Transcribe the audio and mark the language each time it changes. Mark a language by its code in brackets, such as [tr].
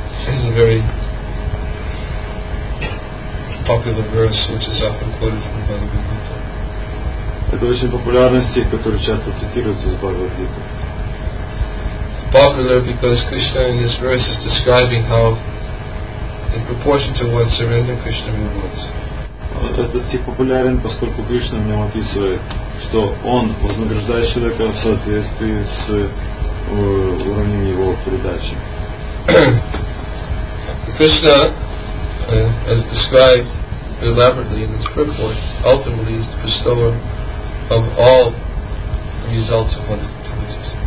[en] This is a very popular verse which is often quoted from Bhagavad Gita. [ru] Это очень популярный стих, который часто цитируется из Бхагавад Гиты. [en] It's popular because Krishna in this verse is describing how, in proportion to one's surrender, Krishna rewards. [ru] Этот стих популярен, поскольку Кришна в нем описывает, что он вознаграждает человека в соответствии с уровнем его передачи. [en] Krishna, as described elaborately in this purport, ultimately is the bestower of all results of one's activities.